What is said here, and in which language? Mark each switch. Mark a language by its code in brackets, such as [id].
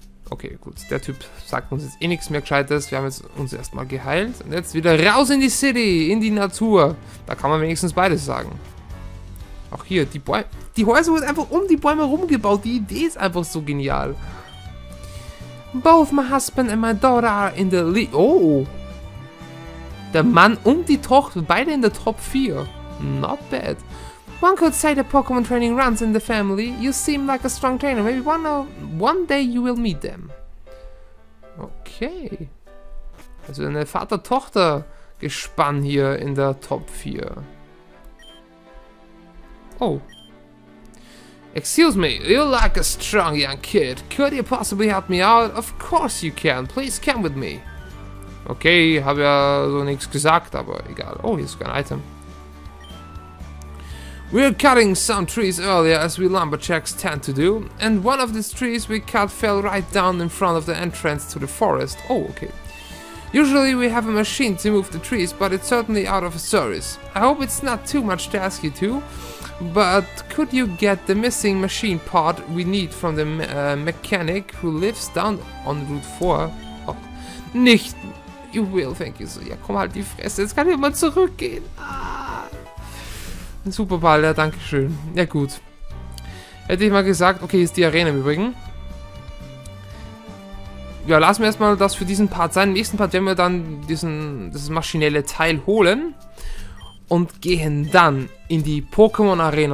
[de] Okay, gut. Der Typ sagt uns jetzt eh nichts mehr Gescheites. Wir haben jetzt uns erstmal geheilt. Und jetzt wieder raus in die City, in die Natur. Da kann man wenigstens beides sagen. Auch hier, die Bäume. Die Häuser wurden einfach um die Bäume rumgebaut. Die Idee ist einfach so genial. [en] Both my husband and my daughter are in the Oh. [de] Der Mann und die Tochter, beide in der Top 4. [en] Not bad. One could say the Pokémon training runs in the family. You seem like a strong trainer. Maybe one day you will meet them. Okay. [de] Also eine Vater-Tochter-Gespann hier in der Top 4. Oh. [en] Excuse me, you like a strong young kid. Could you possibly help me out? Of course you can. Please come with me. [de] Okay, habe ja so nichts gesagt, aber egal. Oh, hier ist sogar ein Item. [en] We're cutting some trees earlier, as we lumberjacks tend to do, and one of these trees we cut fell right down in front of the entrance to the forest. Oh, okay. Usually we have a machine to move the trees, but it's certainly out of service. I hope it's not too much to ask you to, but could you get the missing machine part we need from the mechanic who lives down on Route 4? [de] Oh, nicht. [en] You will, thank you. [de] So, ja, komm halt die Fresse, jetzt kann ich mal zurückgehen. Ein Superball, ja, danke schön. Ja, gut. Hätte ich mal gesagt, okay, ist die Arena im Übrigen. Ja, lassen wir erstmal das für diesen Part sein. Im nächsten Part werden wir dann dieses maschinelle Teil holen und gehen dann in die Pokémon-Arena.